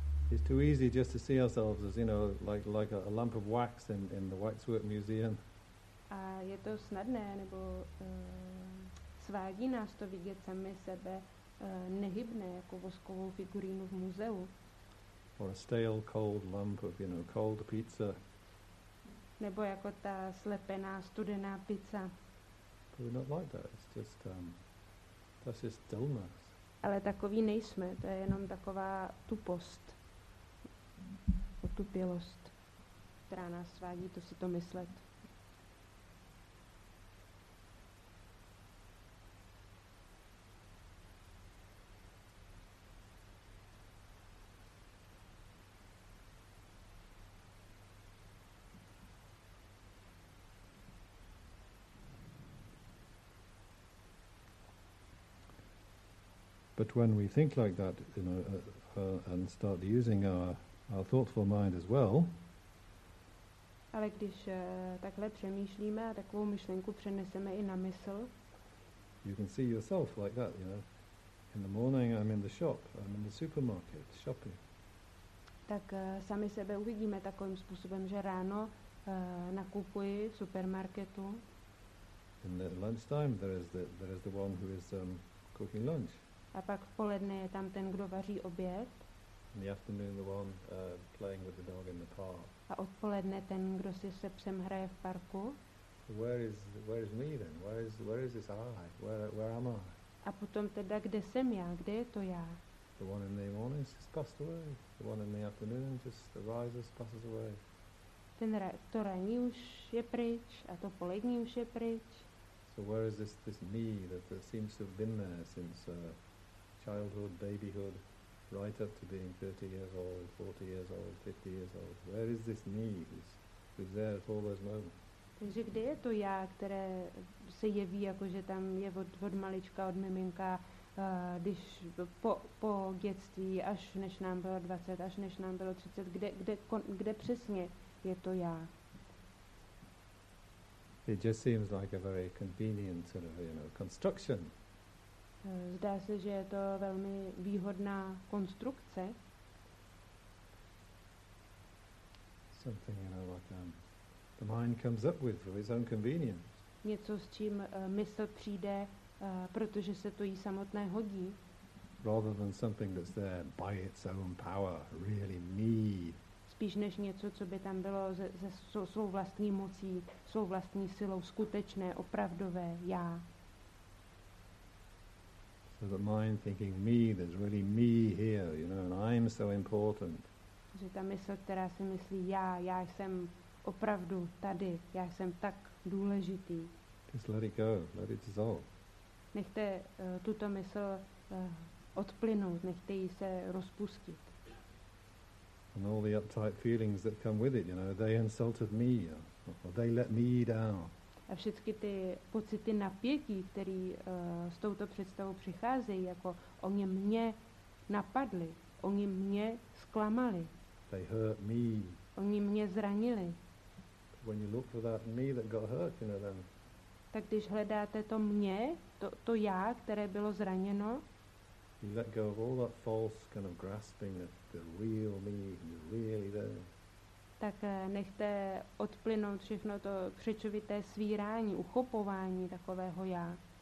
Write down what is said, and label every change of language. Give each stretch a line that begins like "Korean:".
English: It's too easy just to see ourselves as, like a lump of wax in the Waxwork Museum.
Czech: A je to snadné, nebo svádí nás to vidět sami sebe nehybné, jako voskovou figurínu v muzeu.
English: Or a stale, cold lump of, cold pizza.
Czech: Nebo jako ta slepená, studená pizza.
English: But we're not like that. It's just, that's just dullness.
Czech: Ale takový nejsme. To je jenom taková tupost. Otupilost, která nás svádí, to si to myslet.
English: But when we think like that, and start using our thoughtful mind as well.
Czech: Ale když takhle přemýšlíme a takovou myšlenku přeneseme i na mysl.
English: You can see yourself like that, In the morning I'm in the shop, I'm in the supermarket, shopping.
Czech: Tak sami sebe uvidíme takovým způsobem, že ráno nakupuji v supermarketu.
English: In the lunchtime there is the one who is cooking lunch.
Czech: A pak v poledne je tam ten, kdo vaří oběd.
English: In the afternoon the one playing with the dog in the park.
Czech: A odpoledne ten, kdo si se psem hraje v parku.
English: Where is me then? Where is this I? Where am I?
Czech: A potom teda, kde jsem já? Kde je to já?
English: The one in the morning just passed away. The one in the afternoon just arises, passes away.
Czech: Ten to ranní už je pryč a to polední už je pryč.
English: So where is this me that seems to have been there since childhood, babyhood, right up to being 30 years old, 40 years old, 50 years old? Where is this me who's there at all those moments?
Czech: Takže kde je to já, které se jeví jako, že tam je od malička, od miminka, když po dětství, až než nám bylo 20, až než nám bylo 30, kde přesně je to já?
English: It just seems like a very convenient sort of, construction.
Czech: Zdá se, že je to velmi výhodná konstrukce.
English: Something, like the mind comes up with for its own convenience.
Czech: Něco, s čím mysl přijde, protože se to jí samotné hodí.
English: Rather than something that's there by its own power, really me.
Czech: Spíš než něco, co by tam bylo ze svou vlastní mocí, svou vlastní silou, skutečné, opravdové já.
English: So the mind thinking me, there's really me here, and I'm so important.
Czech: Že ta mysl, která si myslí já jsem opravdu tady, já jsem tak důležitý.
English: Just let it go, let it dissolve.
Czech: Nechte tuto mysl odplynout, nechte jí se rozpustit.
English: And all the uptight feelings that come with it, they insulted me, or they let me down.
Czech: A všechny ty pocity napětí, které s touto představou přicházejí, jako oni mě napadli, oni mě zklamali.
English: They hurt me.
Czech: Oni mě zranili.
English: When you look for that me that got hurt, then.
Czech: Tak když hledáte to mě, to já, které bylo zraněno.
English: You let go of all that false kind of grasping at the real me, you really there.
Czech: Tak nechte odplynout všechno to křečovité svírání, uchopování takového já.